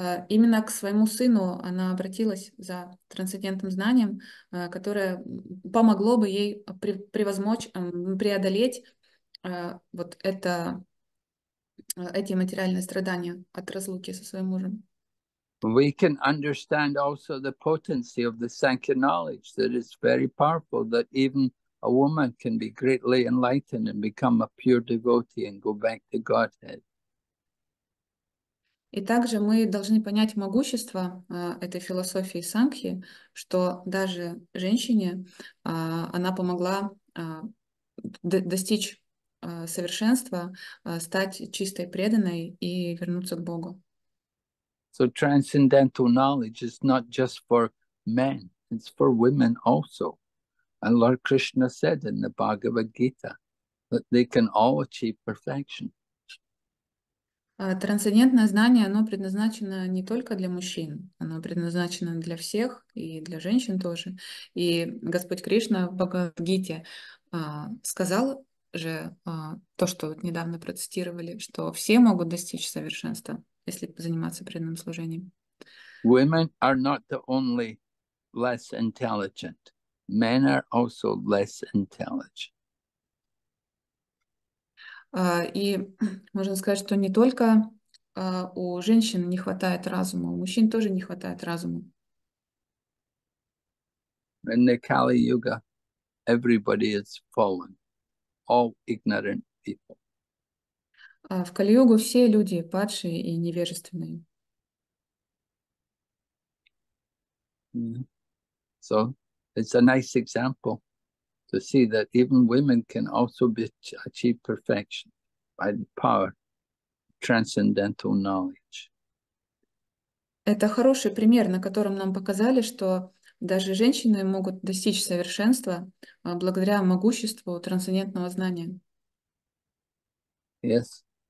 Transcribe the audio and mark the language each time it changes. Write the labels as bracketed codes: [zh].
[ru] Именно к своему сыну она обратилась за трансцендентным знанием, которое помогло бы ей преодолеть вот эти материальные страдания от разлуки со своим мужем. [en] We can understand also the potency of the Sankhya knowledge that is very powerful, that even a woman can be greatly enlightened and become a pure devotee and go back to Godhead. [ru] И также мы должны понять могущество этой философии Сангхи, что даже женщине она помогла достичь совершенства, стать чистой преданной и вернуться к Богу. [en] So transcendental knowledge is not just for men, it's for women also. And Lord Krishna said in the Bhagavad Gita that they can all achieve perfection. [ru] Трансцендентное знание, оно предназначено не только для мужчин, оно предназначено для всех и для женщин тоже. И Господь Кришна в Бхагавад-гите сказал же то, что вот недавно процитировали, что все могут достичь совершенства, если заниматься преданным служением. [en] Women are not the only less intelligent. Men are also less intelligent. [ru] И можно сказать, что не только у женщин не хватает разума, у мужчин тоже не хватает разума. [en] In the Kali Yuga, everybody is fallen, all ignorant people. [ru] В Кали-югу все люди падшие и невежественные. [en] So it's a nice example to see that even women can also be achieve perfection by the power of transcendental knowledge. [ru] Это хороший пример, на котором нам показали, что даже женщины могут достичь совершенства благодаря могуществу трансцендентного знания. [en] Yes.